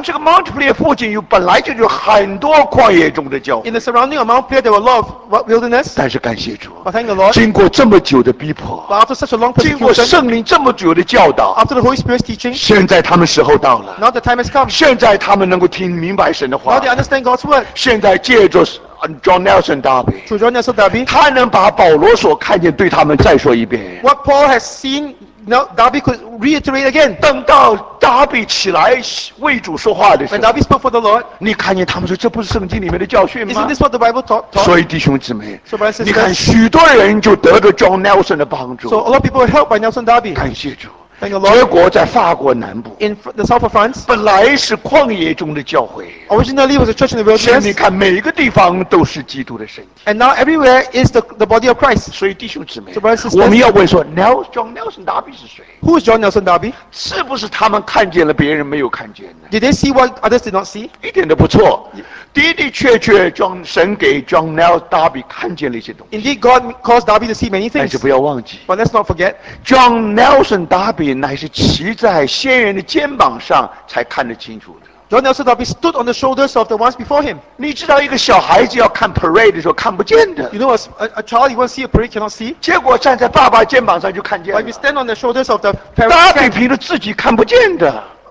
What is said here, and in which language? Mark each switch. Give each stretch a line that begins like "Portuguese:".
Chinese: 这个 Montpellier 附近有本来就有很多旷野中的教会。
English: In the surrounding of Montpellier, there were a lot of wilderness.
Chinese: 但是感谢主。
English: But thank the Lord.
Chinese: 经过这么久的逼迫。
English: But after such a long persecution.
Chinese: 经过圣灵这么久的教导。
English: After the Holy Spirit's teaching.
Chinese: 现在他们时候到了。
English: Now the time has come.
Chinese: 现在他们能够听明白神的话。
English: Now they understand God's word.
Chinese: 现在借着John Nelson Darby,
English: through John Nelson Darby,
Chinese: 他能把保罗所看见对他们再说一遍。
English: What Paul has seen, now Darby could reiterate again.
Chinese: 等到 Darby 起来为主说话的时候
English: ，When Darby spoke for the Lord,
Chinese: 你看见他们说这不是圣经里面的教训吗
English: ？Isn't this what the Bible taught?
Chinese: 所以弟兄姊妹，
English: so、says,
Chinese: 你看许多人就得着 John Nelson 的帮助。
English: So a lot of people were helped by Nelson Darby.
Chinese: 感谢主。
English: Thank the Lord.
Chinese: 结果在法国南部
English: ，in the south of France，
Chinese: 本来是旷野中的教会
English: ，originally was a church in the wilderness。
Chinese: 现在你看，每一个地方都是基督的身体
English: ，and now everywhere is the body of Christ。
Chinese: 所以弟兄姊妹，
English: so、brothers,
Chinese: 我们要问说 ，John Nelson Darby 是谁
English: ？Who is John Nelson Darby？
Chinese: 是不是他们看见了别人没有看见的
English: ？Did they see what others did not see？
Chinese: 一点都不错， yeah. 的的确确 ，John 神给 John Nelson Darby 看见了一些东西。
English: Indeed, God caused Darby to see many things。
Chinese: 但是不要忘记
English: ，but let's not forget John Nelson Darby。
Chinese: 乃是骑在先人的肩膀上才看得清楚的。
English: John Nelson Darby stood on the shoulders of the ones before him.
Chinese: 你知道一个小孩子要看 parade 的时候看不见的。
English: You know a child you want to see a parade cannot see.
Chinese: 结果站在爸爸肩膀上就看见了。
English: But if you stand on the shoulders of the parents,
Chinese: Darby 凭着自己看不见的。